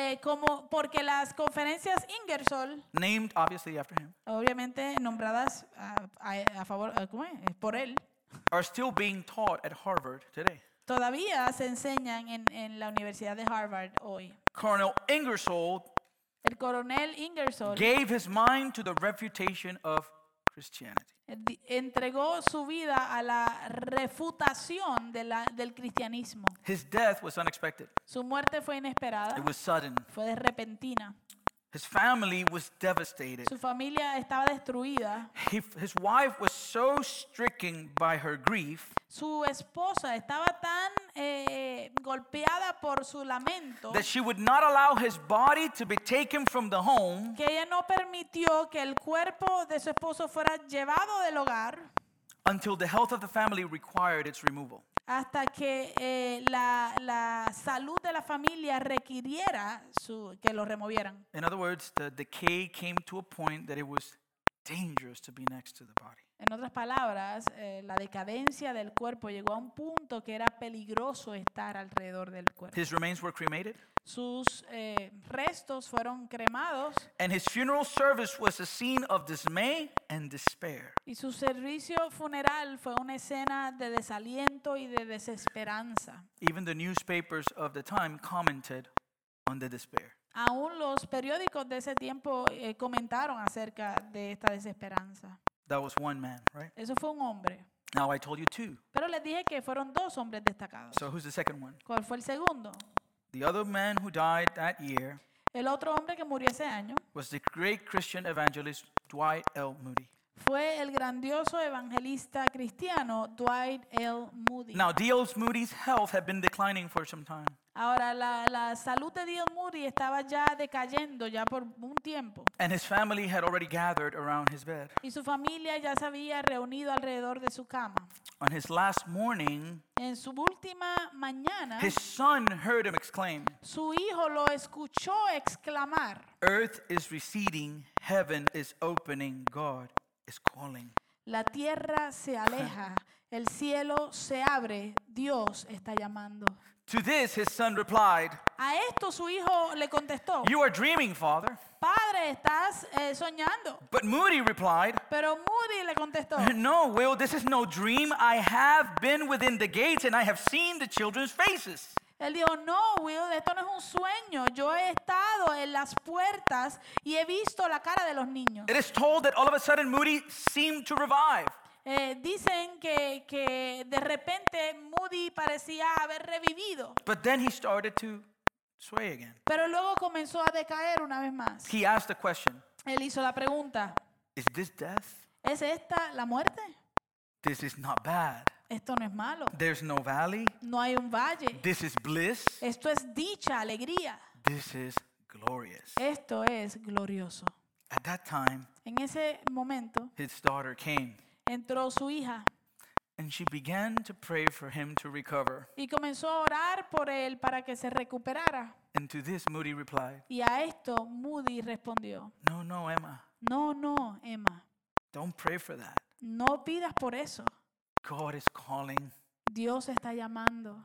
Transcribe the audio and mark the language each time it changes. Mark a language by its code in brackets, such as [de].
[es] como porque las conferencias Ingersoll, [en] named obviously after him, [es] obviamente nombradas a favor, ¿cómo es? Por él. [en] Are still being taught at Harvard today. [es] Todavía se enseñan en la Universidad de Harvard hoy. [en] Colonel Ingersoll, [es] el coronel Ingersoll, [en] gave his mind to the refutation of Christianity. [es] Entregó su vida a la refutación del cristianismo. [en] His death was unexpected. [es] Su muerte fue inesperada. [en] It was sudden. [es] Fue repentina. [en] His family was devastated. [es] Su familia estaba destruida. [en] His wife was so stricken by her grief. [es] Su esposa estaba tan golpeada por su lamento. [en] That she would not allow his body to be taken from the home. [es] Que ella no permitió que el cuerpo de su esposo fuera llevado del hogar. [en] Until the health of the family required its removal. [es] Hasta que la salud de la familia requiriera que lo removieran. [en] In other words, the decay came to a point that it was dangerous to be next to the body. [es] En otras palabras, la decadencia del cuerpo llegó a un punto que era peligroso estar alrededor del cuerpo. [en] His remains were cremated. [es] Sus restos fueron cremados. [en] And his funeral service was a scene of dismay and despair. [es] Y su servicio funeral fue una escena de desaliento y de desesperanza. [en] Even the newspapers of the time commented on the despair. [es] Aún los periódicos de ese tiempo comentaron acerca de esta desesperanza. [en] That was one man, right? [es] Eso fue un hombre. [en] Now I told you two. [es] Pero les dije que fueron dos hombres destacados. [en] So who's the second one? [es] ¿Cuál fue el segundo? [en] The other man who died that year. [es] El otro hombre que murió ese año. [en] Was the great Christian evangelist Dwight L. Moody. [es] Fue el grandioso evangelista cristiano Dwight L. Moody. [en] Now D.L. Moody's health had been declining for some time. [es] Ahora la salud de D.L. Moody estaba ya decayendo ya por un tiempo. [en] And his family had already gathered around his bed. [es] Y su familia ya se había reunido alrededor de su cama. [en] On his last morning, [es] en su última mañana, [en] his son heard him exclaim. [es] Su hijo lo escuchó exclamar. [en] Earth is receding, heaven is opening, God is calling. [es] La tierra se aleja, el cielo se abre, Dios está llamando. [en] To this his son replied. [es] A esto su hijo le contestó. [en] You are dreaming, father. [es] Padre, estás soñando. [en] But Moody replied. [es] Pero Moody le contestó. [en] No, Will, this is no dream. I have been within the gates and I have seen the children's faces. [es] Él dijo, no, Will, esto no es un sueño. Yo he estado en las puertas y he visto la cara de los niños. [en] It is told that all of a sudden Moody seemed to revive. [es] Dicen que de repente Moody parecía haber revivido. [en] But then he started to sway again. [es] Pero luego comenzó a decaer una vez más. [en] He asked the question. [es] Él hizo la pregunta. [en] Is this death? [es] ¿Es esta la muerte? [en] This is not bad. [es] Esto no es malo. [en] There's no valley. [es] No hay un valle. [en] This is bliss. [es] Esto es dicha, alegría. [en] This is glorious. [es] Esto es glorioso. [en] At that time, [es] en ese momento, [en] his daughter came. [es] Entró su hija. [en] And she began to pray for him to recover. [es] Y comenzó a orar por él para que se recuperara. [en] And to this Moody replied. [es] Y a esto Moody respondió. [en] No, no, Emma. [es] No, no, Emma. [en] Don't pray for that. [es] No pidas por eso. [en] God is calling. [es] Dios está llamando.